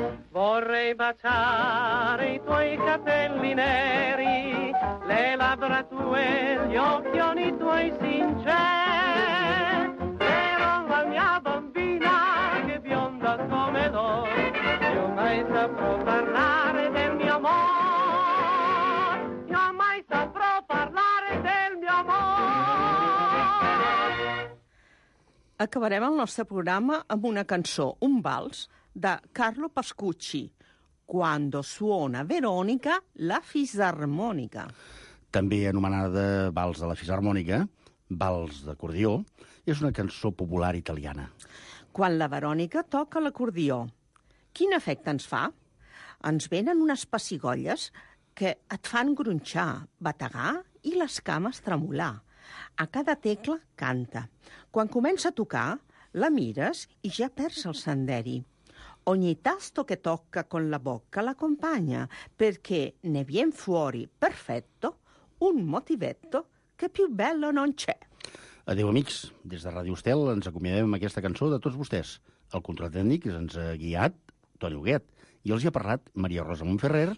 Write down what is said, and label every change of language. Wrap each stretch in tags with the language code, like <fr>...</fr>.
<it>Vorrei baciare i tuoi capelli neri, le labbra tue, gli occhioni tuoi sinceri, però la mia bambina che è bionda come l'oro, io mai saprò parlare del mio amore, io mai saprò parlare del mio amore.</it> <ca>Acabarem el nostre programa amb una cançó, un vals, de Carlo Pascucci, Quando suona Verònica, la fisarmònica. També anomenada vals de la fisarmònica, vals d'acordió, és una cançó popular italiana. Quan la Verònica toca l'acordió, quin efecte ens fa? Ens venen unes pessigolles que et fan gronxar, bategar i les cames tremolar. A cada tecla canta. Quan comença a tocar, la mires i ja perds el senderi.</ca> <it>Ogni tasto che tocca con la bocca l'accompagna, perché ne vien fuori perfetto un motivetto che più bello non c'è.</it> <ca>Adéu, amics. Des de Ràdio Estel ens acomiadem amb aquesta cançó de tots vostès. El control tècnic ens ha guiat Toni Huguet i els hi ha parlat Maria Rosa Montferrer</ca>